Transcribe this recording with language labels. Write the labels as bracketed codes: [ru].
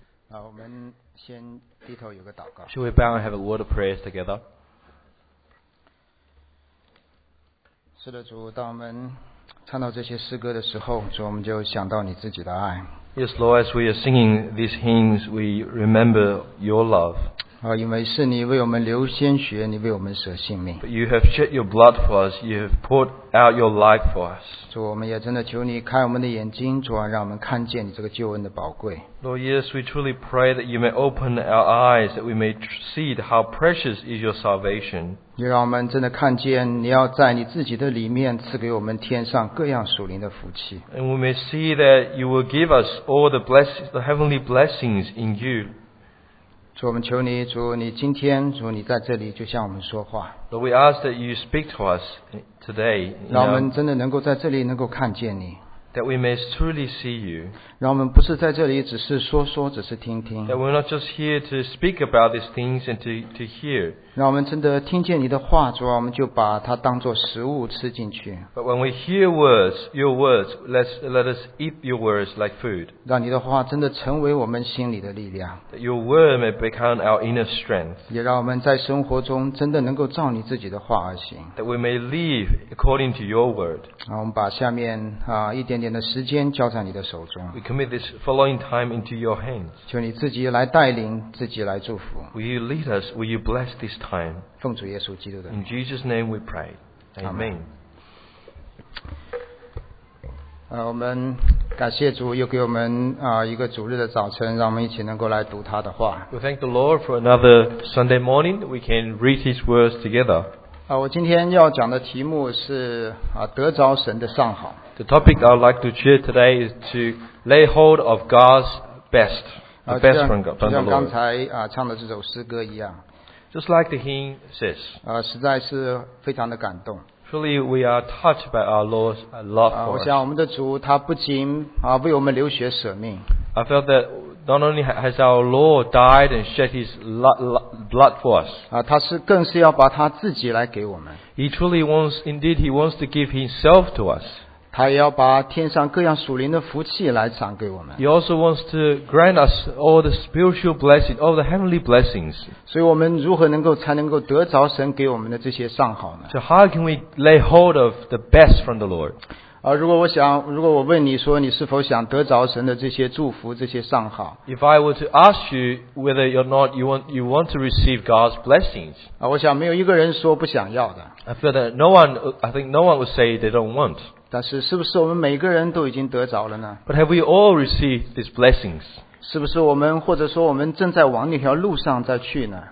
[zh] 好，我们先低头有个祷告。 [en] Should we bow and have a word of prayers together? [zh] 是的，主，当我们唱到这些诗歌的时候，主，我们就想到你自己的爱。 [en] Yes, Lord, as we are singing these hymns, we remember your love. [zh] 啊，因为是你为我们流鲜血，你为我们舍性命。 [en] But you have shed your blood for us. You have poured out your life for us. [zh] 主，我们也真的求你开我们的眼睛，主啊，让我们看见你这个救恩的宝贵。 [en] Lord, yes, we truly pray that you may open our eyes, that we may see how precious is your salvation. [zh] 你让我们真的看见你要在你自己的里面赐给我们天上各样属灵的福气。 [en] And we may see that you will give us all the blessings, the heavenly blessings in you. [zh] 主，我们求你，主，你今天，主，你在这里就向我们说话。 [en] Lord, we ask that you speak to us today. [zh] 让我们真的能够在这里能够看见你。 [en] That we may truly see you. [zh] 让我们不是在这里只是说说，只是听听。 [en] That we're not just here to speak about these things and to hear. [zh] 让我们真的听见你的话，主啊，我们就把它当作食物吃进去。 [en] But when we hear words, your words, let us eat your words like food. [zh] 让你的话真的成为我们心里的力量。 [en] That your word may become our inner strength. [zh] 也让我们在生活中真的能够照你自己的话而行。 [en] That we may live according to your word. [zh] 让我们把下面啊一点点的时间交在你的手中。 [en] We commit this following time into your hands. [zh] 求你自己来带领，自己来祝福。 [en] Will you lead us? Will you bless this time? [zh] 奉主耶稣基督的。 [en] In Jesus' name we pray. Amen. [zh] 我们感谢主又给我们一个主日的早晨，让我们一起能够来读他的话。 [en] We thank the Lord for another Sunday morning. We can read His words together. [zh] 我今天要讲的题目是得着神的上好。 [en] The topic I would like to share today is to lay hold of God's best, the best from God, from the Lord. [zh] 就像刚才唱的这首诗歌一样。 [en] Just like the hymn says. [zh] 实在是非常的感动。 [en] Truly, we are touched by our Lord's love for us. [zh] 我想我们的主他不仅为我们流血舍命。 [en] I felt that not only has our Lord died and shed His blood for us. [zh] 他是更是要把他自己来给我们。 [en] He truly wants, indeed, He wants to give Himself to us. [zh] 他也要把天上各样属灵的福气来赏给我们。 [en] He also wants to grant us all the spiritual blessings, all the heavenly blessings. [zh] 所以我们如何能够才能够得着神给我们的这些上好呢？ [en] So how can we lay hold of the best from the Lord? [zh] 如果我问你说你是否想得着神的这些祝福，这些上好？ [en] If I were to ask you whether or not you want to receive God's blessings. [zh] 我想没有一个人说不想要的。 [en] I feel that I think no one would say they don't want. [zh] 但是是不是我们每个人都已经得着了呢？ [en] But have we all received these blessings? [zh] 是不是我们或者说我们正在往那条路上再去呢？